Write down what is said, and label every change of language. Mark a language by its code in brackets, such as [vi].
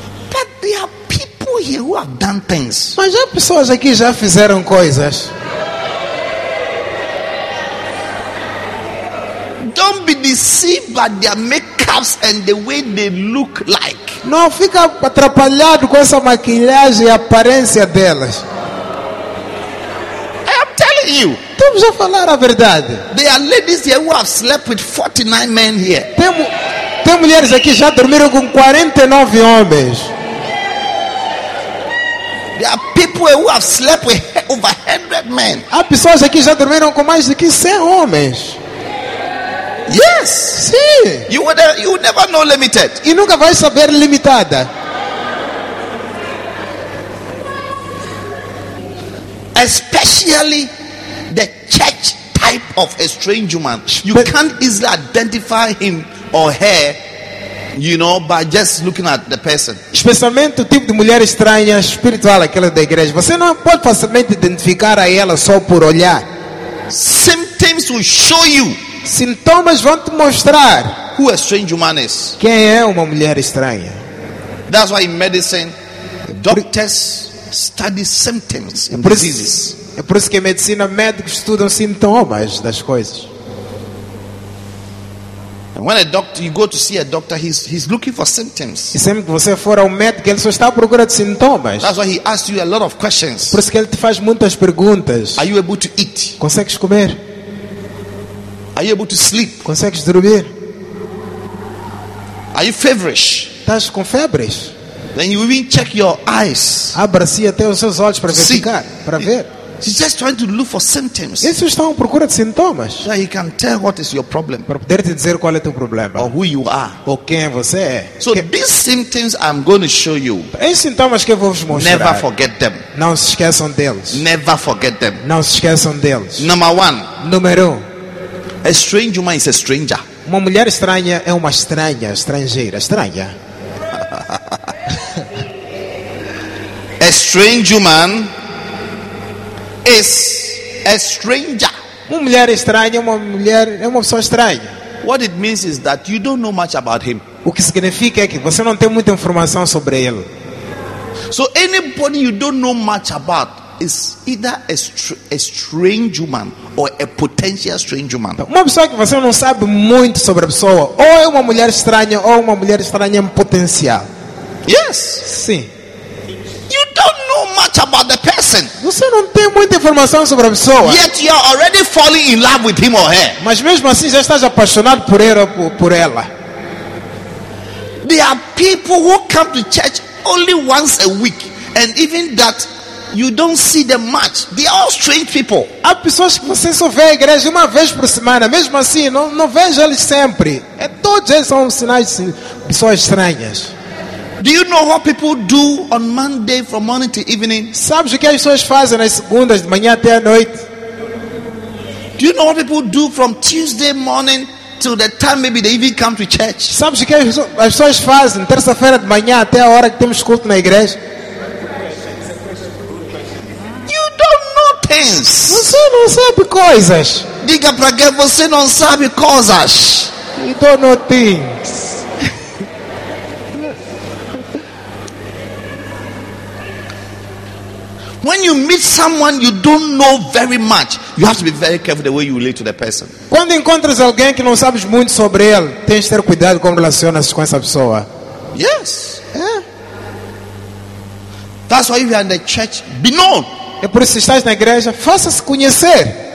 [en] But there are people here who have done things. [pt] Mas há pessoas aqui já fizeram coisas. [en] Don't be deceived by their makeups and the way they look like. [pt] Não fica atrapalhado com essa maquilhagem e a aparência delas. [en] I am telling you. [pt] Estamos a falar a verdade. [en] There are ladies here who have slept with 49 men here. [pt] Tem mulheres aqui já dormiram com 49 homens. [en] There are people who have slept with over 100 men. [pt] Há pessoas aqui já dormiram com mais de 100 homens. [en] Yes, see. You would never know limited. [pt] E nunca vai saber limitada. [en] Especially the church type of a strange woman. You can't easily identify him or her, you know, by just looking at the person. [pt] Especialmente o tipo de mulher estranha espiritual, aquela da igreja. Você não pode facilmente identificar a ela só por olhar. [en] Symptoms will show you. [pt] Sintomas vão te mostrar [en] who a strange woman is. [pt] Quem é uma mulher estranha. [en] That's why in medicine, doctors study symptoms and diseases. [pt] É por isso que em medicina médicos estudam sintomas das coisas. [en] And when a doctor, you go to see a doctor, he's looking for symptoms. [pt] E sempre que você for ao médico, ele só está à procura de sintomas. [en] That's why he asks you a lot of questions. [pt] Por isso que ele te faz muitas perguntas. [en] Are you able to eat? [pt] Consegues comer? [en] Are you able to sleep? [pt] Consegues dormir? [en] Are you feverish? [pt] Estás com febres? [en] Then you even check your eyes. [pt] Abra-se até os seus olhos para verificar, para ver. [en] He's just trying to look for symptoms. [pt] Eles estão à procura de sintomas. [en] So he can tell what is your problem. [pt] Para poder te dizer qual é teu problema. [en] Or who you are. [pt] Ou quem você é. [en] So these symptoms I'm going to show you. [pt] Esses sintomas que eu vou vos mostrar. [en] Never forget them. [pt] Não se esqueçam deles. [en] Never forget them. [pt] Não se esqueçam deles. [en] Number one. [pt] Número um. [en] A strange woman is a stranger. [pt] Uma mulher estranha é uma estranha, estrangeira, estranha. [en] A strange woman is a stranger. [pt] Uma mulher estranha, uma mulher é uma pessoa estranha. [en] What it means is that you don't know much about him. [pt] O que significa é que você não tem muita informação sobre ele. [en] So anybody you don't know much about is either a strange woman or a potential strange woman. [pt] Uma pessoa que você não sabe muito sobre a pessoa, ou é uma mulher estranha, ou uma mulher estranha em potencial. [en] Yes. [pt] Sim. [en] You don't know much about the person. [pt] Você não tem muita informação sobre a pessoa. [en] Yet you are already falling in love with him or her. [pt] Mas mesmo assim já estás apaixonado por ele ou por ela. [en] There are people who come to church only once a week, and even that, you don't see them much. They are all strange people. [pt] Há pessoas que você só vê a igreja uma vez por semana. Mesmo assim, não vejo eles sempre. Todos eles são sinais de pessoas estranhas. [en] Do you know what people do on Monday from morning to evening? [pt] Sabes o que as pessoas fazem nas segundas de manhã até à noite? [en] Do you know what people do from Tuesday morning till the time maybe they even come to church? [pt] Sabes o que as pessoas fazem terça-feira de manhã até a hora que temos culto na igreja? [en] You don't know things. [pt] Você não sabe coisas. Diga para que você não sabe coisas. [en] You don't know things. When you meet someone you don't know very much, you have to be very careful the way you relate to the person. [pt] Quando encontras alguém que não sabes muito sobre ele, tens de ter cuidado como relacionas com essa pessoa. [en] Yes. Yeah. That's why if you are in the church, be known. [pt] É por isso que estás na igreja, faça-se conhecer.